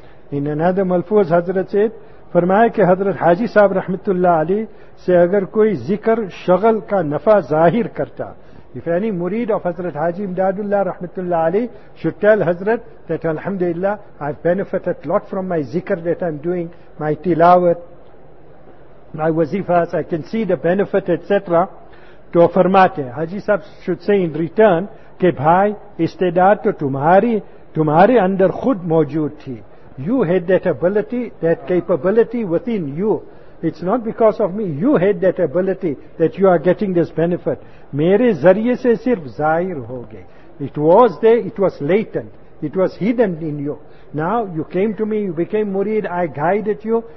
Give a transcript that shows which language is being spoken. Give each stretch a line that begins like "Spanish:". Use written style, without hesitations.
English: In another malfuz, Hadrat said,
Urdu: فرمایا کہ حضرت حاجی صاحب رحمت اللہ علیہ سے اگر کوئی ذکر شغل کا نفع ظاہر کرتا,
English: if any murid of Hazrat Haji Imdadullah رحمت اللہ علیہ should tell Hazrat that Alhamdulillah I've benefited a lot from my zikr that I'm doing, my tilawat, my wazifat, I can see the benefit, etc.
Urdu: تو فرماتے ہیں حاجی صاحب
English: should say in return
Urdu: کہ بھائی استعداد تو تمہارے اندر خود موجود تھی.
English: You had that ability, that capability within you. It's not because of me. You had that ability that you are getting this benefit.
Urdu: Mere zariye se sirf zahir ho gaye.
English: It was there, it was latent. It was hidden in you. Now you came to me, you became murid, I guided you.